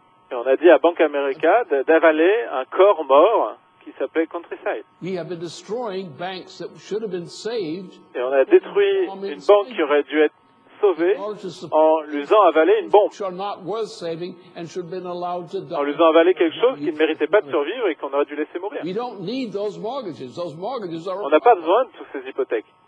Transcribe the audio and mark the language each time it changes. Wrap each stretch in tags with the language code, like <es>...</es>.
<fr>Et on a dit à Bank of America d'avaler un corps mort qui s'appelait Countryside.</fr> <en>We have been destroying banks that should have been saved.</en> <fr>Et on a détruit une banque qui aurait dû être sauvée en lui faisant avaler une bombe. En lui faisant avaler quelque chose qui ne méritait pas de survivre et qu'on aurait dû laisser mourir. On n'a pas besoin de toutes ces hypothèques.</fr>